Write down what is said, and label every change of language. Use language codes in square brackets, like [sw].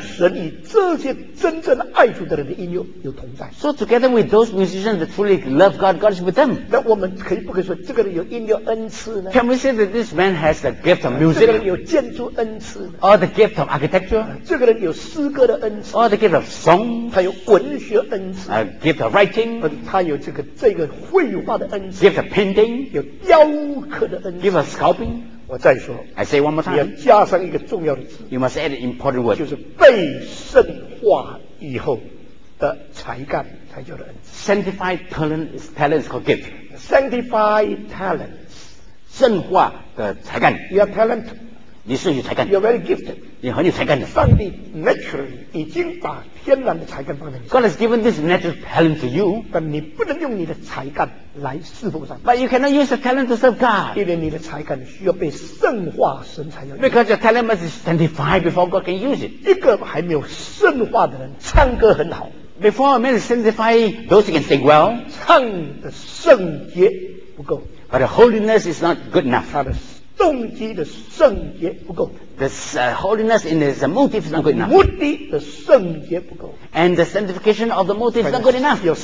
[zh] 神与这些真正爱主的人的音乐有同在。 [en] So together with those musicians that truly love God， God is with them。 [zh] 那我们可以不可以说这个人有音乐恩赐呢 [en] ？Can we say that this man has the gift of music？ [zh] 这个人有建筑恩赐 [en] ？Or the gift of architecture？ [zh] 这个人有诗歌的恩赐 [en] ？Or the gift of song？ [zh] 他有文学恩赐 [en] gift of writing， [zh] 他有这个绘画的恩赐 [en] gift of painting， [zh] 有雕刻的恩赐 [en] gift of sculpting。 [zh] 我再说 [en] ，I say one more time， [zh] 你要加上一个重要的字 [en] ，you must add an important word， [zh] 就是被圣化以后的才干才叫的恩赐。 [en] Sanctified talents called gift。 Sanctified talents， [zh] 圣化的才干。 [en] Your talent。 [zh] 你是有才干 [en] You're very gifted [zh] 你很有才干的上帝 [en] naturally [zh] 已经把天然的才干放在你 [en] God has given this natural talent to you [zh] 但你不能用你的才干来侍奉上帝 [en] But you cannot use the talent to serve God [zh] 因为你的才干需要被圣化神才要 [en] Because your talent must be sanctified before God can use it [zh] 一个还没有圣化的人唱歌很好 [en] Before a man is sanctified those who can sing well [zh] 唱的圣洁不够 [en] But the holiness is not good enough [zh] 他的动机的圣洁不够 [en] The holiness in his motive is not good enough [zh] 目的的圣洁不够 [en] And the sanctification of the motive is not good enough